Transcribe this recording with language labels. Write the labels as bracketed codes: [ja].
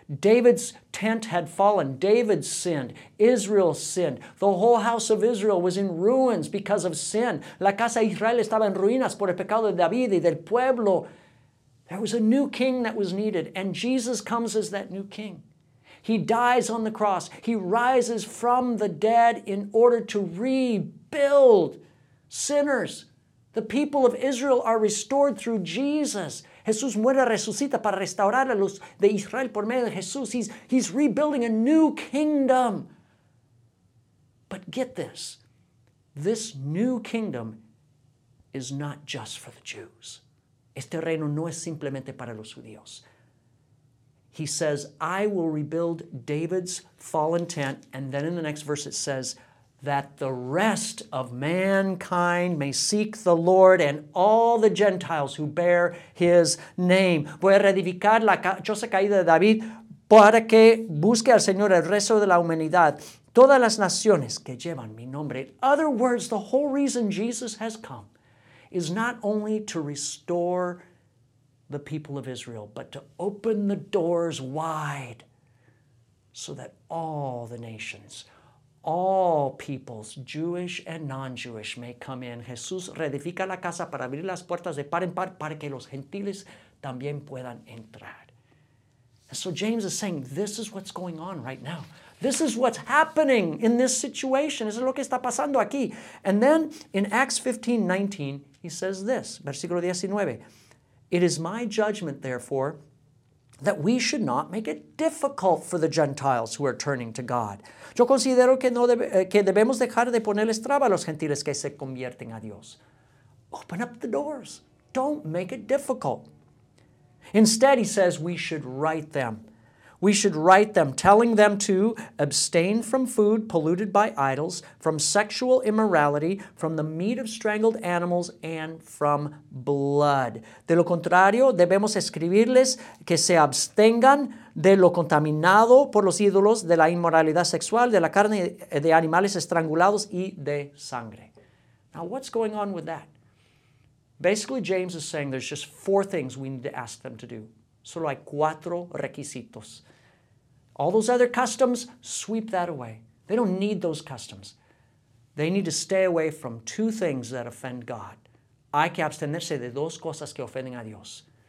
[en] David's tent had fallen. David sinned. Israel sinned. The whole house of Israel was in ruins because of sin. [es] La casa de Israel estaba en ruinas por el pecado de David y del pueblo. [en] There was a new king that was needed, and Jesus comes as that new king. He dies on the cross. He rises from the dead in order to rebuild sinners. The people of Israel are restored through Jesus. [es] Jesús muere, resucita para restaurar a los de Israel por medio de Jesús. [en] He's rebuilding a new kingdom. But get this. This new kingdom is not just for the Jews. [es] Este reino no es simplemente para los judíos. [en] He says, I will rebuild David's fallen tent. And then in the next verse it says, that the rest of mankind may seek the Lord and all the Gentiles who bear his name. [es] Voy a reedificar la choza caída de David para que busque al Señor el resto de la humanidad. Todas las naciones que llevan mi nombre. [en] In other words, the whole reason Jesus has come is not only to restore the people of Israel, but to open the doors wide so that all the nations, all peoples, Jewish and non-Jewish, may come in. [es] Jesús reedifica la casa para abrir las puertas de par en par para que los gentiles también puedan entrar. [en] And so James is saying, this is what's going on right now. This is what's happening in this situation. [es] Eso es lo que está pasando aquí. [en] And then in Acts 15, 19, he says this, [es] versículo 19, [en] it is my judgment, therefore, that we should not make it difficult for the Gentiles who are turning to God. [es] Yo considero que no debemos dejar de ponerles traba a los gentiles que se convierten a Dios. [en] Open up the doors. Don't make it difficult. Instead, he says, we should write them. We should write them, telling them to abstain from food polluted by idols, from sexual immorality, from the meat of strangled animals, and from blood. [es] De lo contrario, debemos escribirles que se abstengan de lo contaminado por los ídolos, de la inmoralidad sexual, de la carne de animales estrangulados y de sangre. [en] Now, what's going on with that? Basically, James is saying there's just four things we need to ask them to do. [es] Solo hay cuatro requisitos. [en] All those other customs, sweep that away. They don't need those customs. They need to stay away from two things that offend God. [es] Hay que abstenerse de dos cosas que ofenden a Dios.